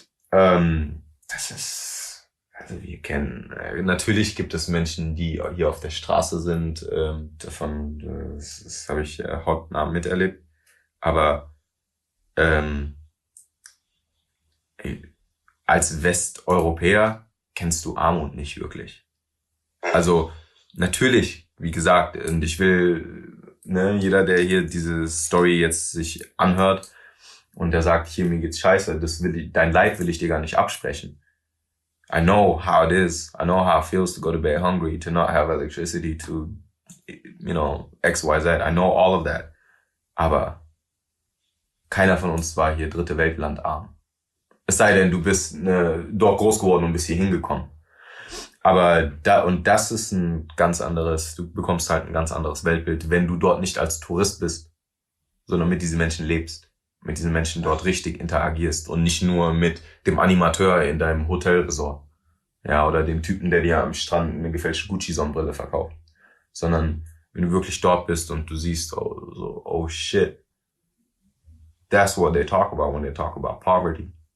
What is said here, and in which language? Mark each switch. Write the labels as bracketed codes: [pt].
[de] Das ist, also wir kennen, natürlich gibt es Menschen, die hier auf der Straße sind, davon, das habe ich hautnah miterlebt, aber als Westeuropäer kennst du Armut nicht wirklich. Also natürlich, wie gesagt, und ich will, ne, jeder, der hier diese Story jetzt sich anhört und der sagt, hier, mir geht's scheiße, dein Leid will ich dir gar nicht absprechen. [en] I know how it is. I know how it feels to go to bed hungry, to not have electricity, to, you know, X, Y, Z. I know all of that. [de] Aber keiner von uns war hier dritte Weltland arm. Es sei denn, du bist dort groß geworden und bist hier hingekommen. Aber das ist ein ganz anderes, du bekommst halt ein ganz anderes Weltbild, wenn du dort nicht als Tourist bist, sondern mit diesen Menschen lebst, mit diesen Menschen dort richtig interagierst und nicht nur mit dem Animateur in deinem Hotelresort, ja, oder dem Typen, der dir am Strand eine gefälschte Gucci-Sonnenbrille verkauft, sondern wenn du wirklich dort bist und du siehst, oh, so, oh shit, that's what they talk about when they talk about poverty.